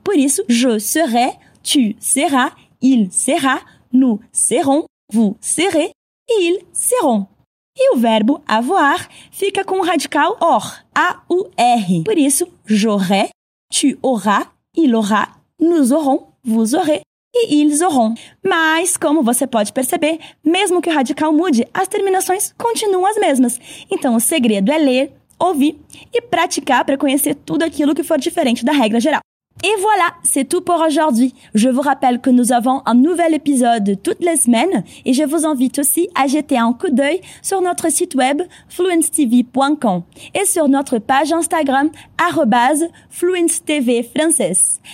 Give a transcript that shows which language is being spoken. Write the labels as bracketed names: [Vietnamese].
[Portuguese] Por isso, [French] je serai, tu seras, il sera, nous serons, vous serez, ils seront. [Portuguese] E o verbo avoir fica com o radical or, A-U-R. Por isso, [French] j'aurai, tu auras, il aura, nous aurons, vous aurez e ils auront. [Portuguese] Mas, como você pode perceber, mesmo que o radical mude, as terminações continuam as mesmas. Então, o segredo é ler, ouvir e praticar para conhecer tudo aquilo que for diferente da regra geral. [French] Et voilà, c'est tout pour aujourd'hui. Je vous rappelle que nous avons un nouvel épisode toutes les semaines et je vous invite aussi à jeter un coup d'œil sur notre site web fluencetv.com et sur notre page Instagram @fluencetvfrançaise.